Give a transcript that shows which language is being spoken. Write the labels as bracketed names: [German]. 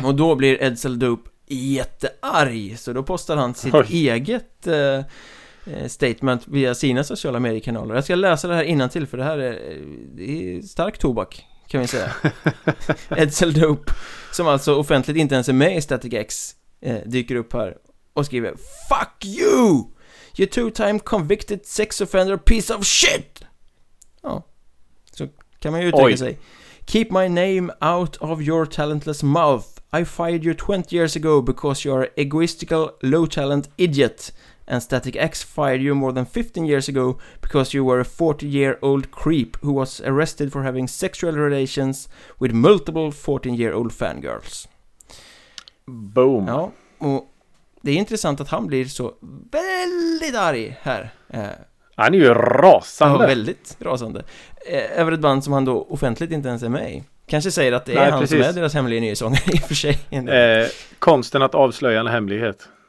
[Swedish] Och då blir Edsel Dope jättearg, så då postar han sitt eget statement via sina sociala mediekanaler. Jag ska läsa det här innantill, för det här är stark tobak, kan vi säga. Edsel Dope, som alltså offentligt inte ens är med i Static X, dyker upp här och skriver: [English] "Fuck you! You two-time convicted sex offender piece of shit!" [Swedish] Ja, så kan man ju uttrycka sig. [English] "Keep my name out of your talentless mouth. I fired you 20 years ago because you're an egoistical, low-talent idiot. And Static X fired you more than 15 years ago because you were a 40-year-old creep who was arrested for having sexual relations with multiple 14-year-old fangirls." Boom. [Swedish] Ja, och det är intressant att han blir så väldigt arg här. Han är ju rasande. Ja, väldigt rasande. Över ett band som han då offentligt inte ens är med i. Kanske säger att det är han som är deras hemliga nyhetssångare i och för sig. Konsten att avslöja en hemlighet.